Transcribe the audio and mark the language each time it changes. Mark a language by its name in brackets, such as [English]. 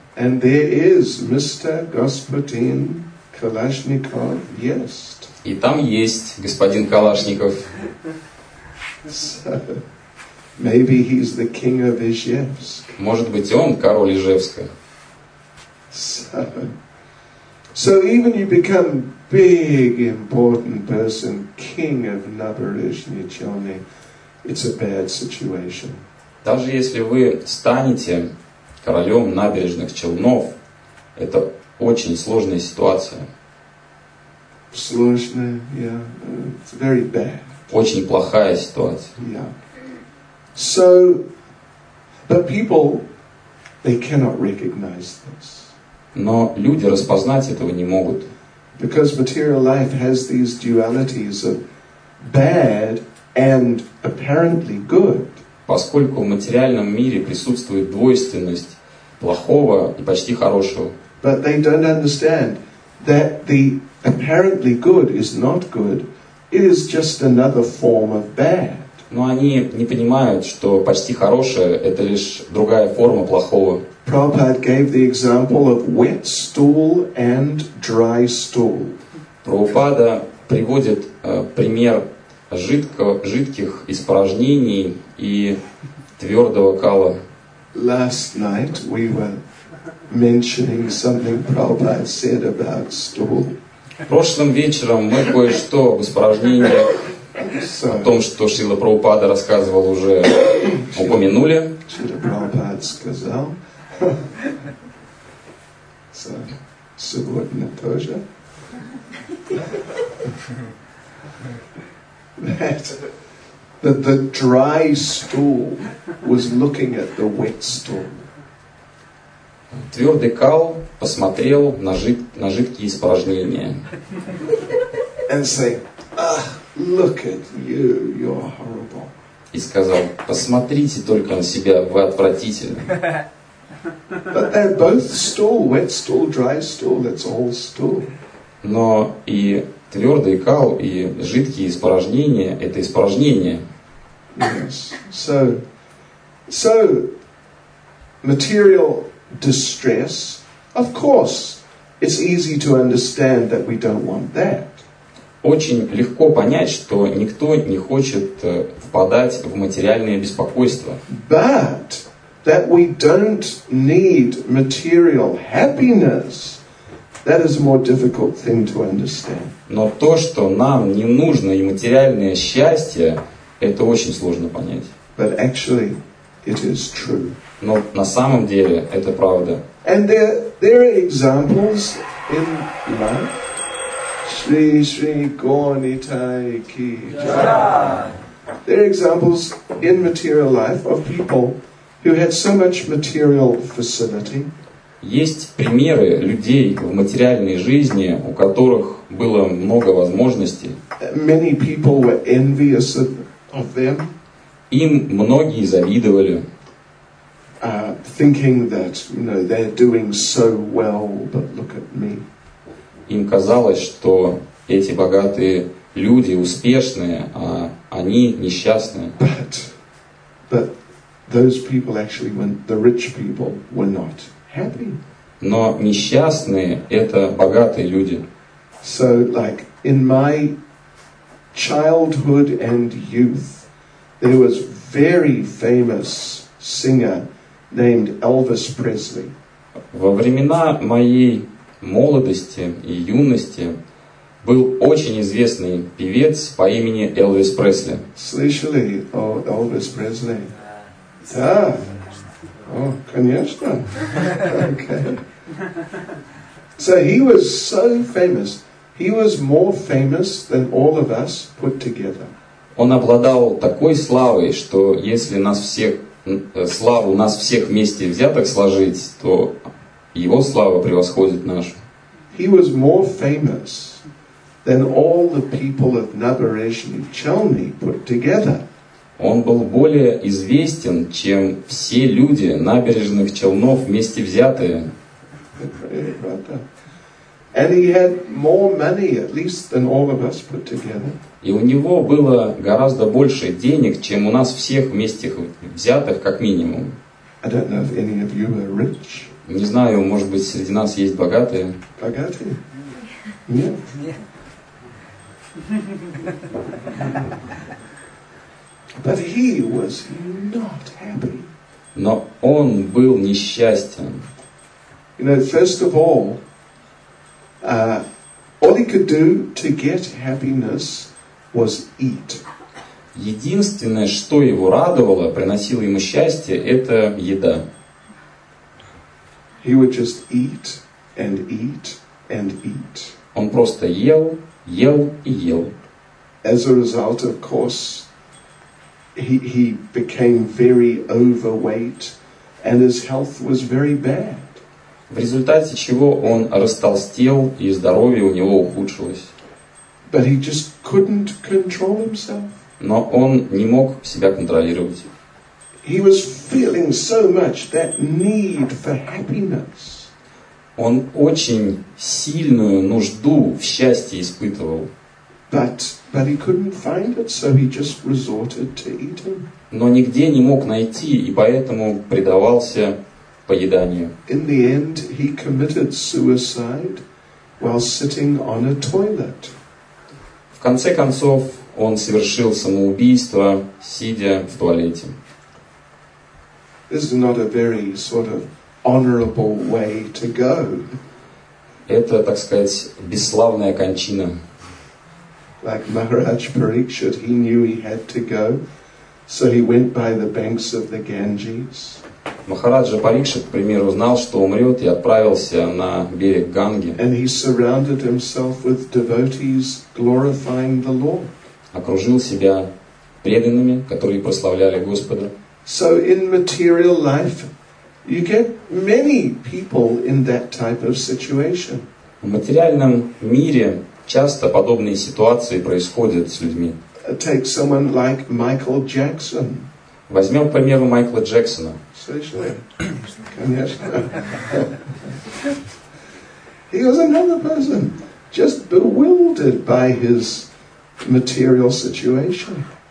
[English] And there is Mr. Gospodin Kalashnikov, yes. [Russian] И там есть господин Калашников. [English] So, maybe he's the king of Ижевск. [Russian] Может быть, он король Ижевска. [English] So even you become big, important person, king of Naberezhny Chelny, it's a bad situation. [Russian] Даже если вы станете королем набережных Челнов, это очень сложная ситуация. Сложная, [English] yeah. It's very bad. [Russian] Очень плохая ситуация. [English] Yeah. So, but people, they cannot recognize this. [Russian] Но люди распознать этого не могут. [English] Because material life has these dualities of bad and apparently good. [Russian] Поскольку в материальном мире присутствует двойственность плохого и почти хорошего. [English] But they don't understand that the apparently good is not good. It is just another form of bad. [Russian] Но они не понимают, что почти хорошее — это лишь другая форма плохого. [English] Prabhupada gave the example of wet stool and dry stool. [Russian] Прабхупада приводит пример жидких испражнений и твердого кала. [English] Last night we were mentioning something Prabhupada said about stool. [Russian] Прошлым вечером мы кое-что об испражнении, о том, что Шрила Прабхупада рассказывал, уже упомянули. Шрила Прабхупада сказал. [English] So, [Russian] сегодня тоже. [English] That that the dry stool was looking at the wet stool. [Russian] Твердый кал посмотрел на жидкие испражнения. [English] And say, ah, look at you, you're horrible. [Russian] И сказал, посмотрите только на себя, вы отвратительны. [English] But they're both stool, wet stool, dry stool, that's all stool. [Russian] Но и твердый кал, и жидкие испражнения, это испражнения. [English] Yes. So, material distress, of course, it's easy to understand that we don't want that. [Russian] Очень легко понять, что никто не хочет впадать в материальное беспокойство. [English] But that we don't need material happiness, that is a more difficult thing to understand. [Russian] Но то, что нам не нужно и материальное счастье, это очень сложно понять. [English] But actually, it is true. [Russian] Но на самом деле это правда. [English] And there are examples in life. Shri Shri Gornitai Ki. There are examples in material life of people who had so much material facility. [Russian] Есть примеры людей в материальной жизни, у которых было много возможностей. [English] Many people were envious of them. [Russian] Им многие завидовали. [English] Thinking that, you know, they're doing so well, but look at me. [Russian] Им казалось, что эти богатые люди успешные, а они несчастные. [English] But those people actually, when the rich people were not happy. [Russian] Но несчастные это богатые люди. [English] So, like in my childhood and youth, there was very famous singer named Elvis Presley. [Russian] Во времена моей молодости и юности был очень известный певец по имени Элвис Пресли. Слышали о Элвис Пресли? Да. О, конечно. [English] Okay. So he was so famous. He was more famous than all of us put together. [Russian] Он обладал такой славой, что если нас всех славу нас всех вместе взяток сложить, то его слава превосходит нашу. [English] He was more famous than all the people of Naberezhny Chelny put together. [Russian] Он был более известен, чем все люди набережных Челнов вместе взятые. [English] And he had more money, at least, than all of us put together. [Russian] И у него было гораздо больше денег, чем у нас всех вместе взятых, как минимум. [English] I don't know if any of you are rich. [Russian] Не знаю, может быть, среди нас есть богатые. Богатые? Нет. [English] But he was not happy. [Russian] Но он был несчастен. [English] You know, first of all, all he could do to get happiness was eat. [Russian] Единственное, что его радовало, приносило ему счастье, это еда. [English] He would just eat and eat and eat. [Russian] Он просто ел, ел и ел. [English] As a result, of course, he became very overweight and his health was very bad. [Russian] В результате чего он растолстел, и здоровье у него ухудшилось. [English] But he just couldn't control himself. [Russian] Но он не мог себя контролировать. [English] He was feeling so much that need for happiness. [Russian] Он очень сильную нужду в счастье испытывал. [English] But he couldn't find it, so he just resorted to eating. [Russian] Но нигде не мог найти, и поэтому предавался поеданию. [English] In the end, he committed suicide while sitting on a toilet. [Russian] В конце концов, он совершил самоубийство, сидя в туалете. [English] This is not a very sort of honorable way to go. [Russian] Это, так сказать, бесславная кончина. [English] Like Maharaj Parikshit, he knew he had to go, so he went by the banks of the Ganges. [Russian] Махараджа Парикшит, к примеру, знал, что умрет, и отправился на берег Ганги. [English] And he surrounded himself with devotees glorifying the Lord. [Russian] Окружил себя преданными, которые прославляли Господа. [English] So in material life, you get many people in that type of situation. [Russian] В материальном мире часто подобные ситуации происходят с людьми. [English] Take someone like Michael Jackson. [Russian] Возьмем пример Майкла Джексона. Конечно. [English] He was another person, just bewildered by his material situation.